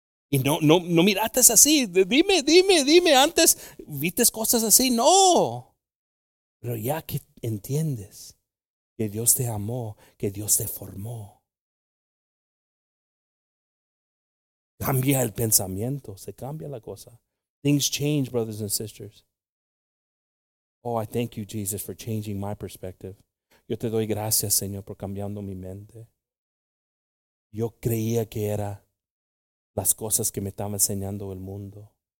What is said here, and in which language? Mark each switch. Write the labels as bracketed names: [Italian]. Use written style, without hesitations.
[Spanish] Y no miraste así. Dime, antes, ¿viste cosas así? No. Pero ya que entiendes que Dios te amó, que Dios te formó, cambia el pensamiento, se cambia la cosa. [English] Things change, brothers and sisters. Oh, I thank you, Jesus, for changing my perspective. [Spanish] Yo te doy gracias, Señor, por cambiando mi mente. Yo creía que era las cosas que me estaba enseñando el mundo.